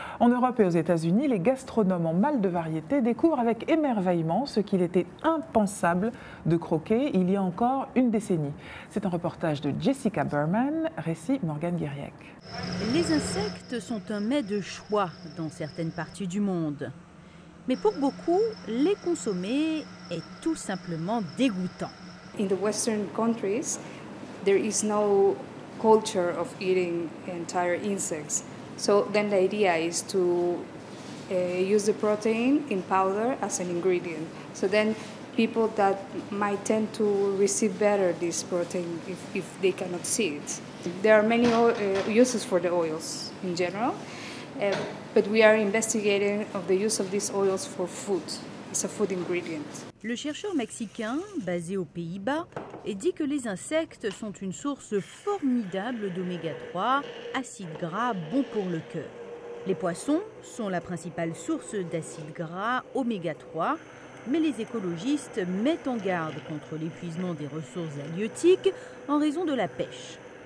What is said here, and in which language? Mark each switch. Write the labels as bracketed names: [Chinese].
[French] En Europe et aux États-Unis, les gastronomes en mal de variété découvrent avec émerveillement ce qu'il était impensable de croquer il y a encore une décennie. C'est un reportage de Jessica Berman, récit Morgane Guiriec. Les insectes sont un mets de choix dans certaines parties du monde. Mais pour beaucoup, les consommer est tout simplement dégoûtant. [English] In the Western countries, there is no culture of eating entire insects. So then the idea is to use the protein in powder as an ingredient. So then people that might tend to receive better this protein if they cannot see it. There are many uses for the oils in general, but we are investigating of the use of these oils for food. It's a food ingredient. [French] Le chercheur mexicain, basé aux Pays-Bas, dit que les insectes sont une source formidable d'oméga-3, acide gras bon pour le cœur. Les poissons sont la principale source d'acide gras oméga-3, mais les écologistes mettent en garde contre l'épuisement des ressources halieutiques en raison de la pêche.